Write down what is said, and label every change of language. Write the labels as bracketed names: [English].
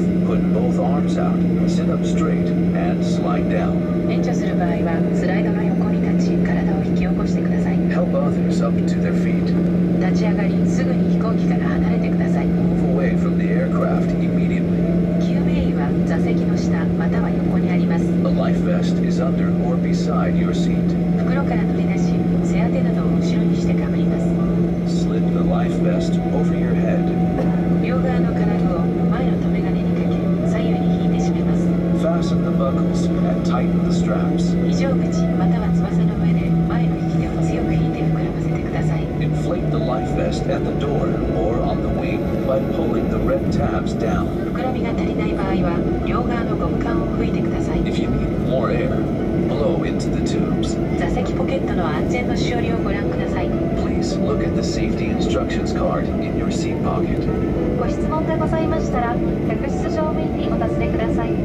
[English] Put both arms out, sit up straight, and slide down. [Japanese] 援助する場合は、スライドの横に立ち、体を引き起こしてください。 [English] Help others up to their feet. [Japanese] 立ち上がり、すぐに飛行機から離れてください。 [English] Move away from the aircraft immediately. [Japanese] 救命衣は座席の下、または横にあります。 [English] A life vest is under or beside your seat. [Japanese] 袋から取り出し、背当てなどを後ろにしてかぶります。 [English] Slip the life vest over your head. [Japanese] 両側の金具を前の留め金にかけ、左右に引いて締めます。 [English] Fasten the buckles and tighten the straps. [Japanese] 非常口または翼の上で前の引き手を強く引いて膨らませてください。 [English] Inflate the life vest at the door or on the wing by pulling the red tabs down. [Japanese] 膨らみが足りない場合は、両側のゴム管を吹いてください。 [English] If you need more air,Blow into the tubes. [Japanese] 座席ポケットの安全の処理をご覧ください。 [English] Please please look at the safety instructions card in your seat pocket. [Japanese] ご質問がございましたら、客室乗務員にお尋ねください。